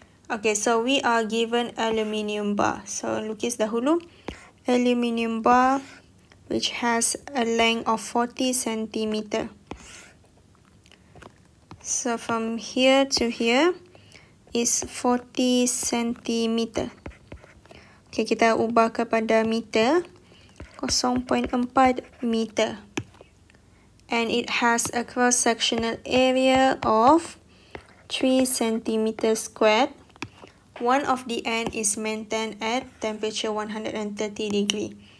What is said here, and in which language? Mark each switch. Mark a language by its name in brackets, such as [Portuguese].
[English] Okay, so we are given aluminium bar. So, [Malay] lukis dahulu. [English] Aluminium bar, which has a length of 40 cm. So, from here to here, is 40 cm. [Malay] Okay, kita ubah kepada meter. [English] 0.4 meter. And it has a cross-sectional area of 3 cm squared. One of the end is maintained at temperature 130 degree.